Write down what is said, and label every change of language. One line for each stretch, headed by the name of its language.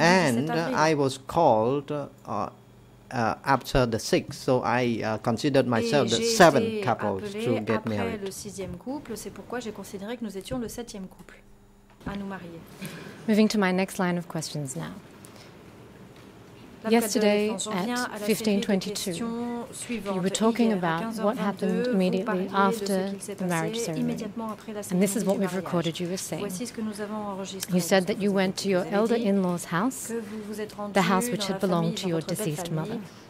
English: And I was called after the sixth, so I considered myself the seventh couple to get married.
French: Le sixième couple, c'est pourquoi j'ai considéré que nous étions le septième couple à nous marier.
English: Moving to my next line of questions now. Yesterday at 15:22, you were talking about what happened immediately after the marriage ceremony. And this is what we've recorded you were saying. You said that you went to your elder in-law's house, the house which had belonged to your deceased mother.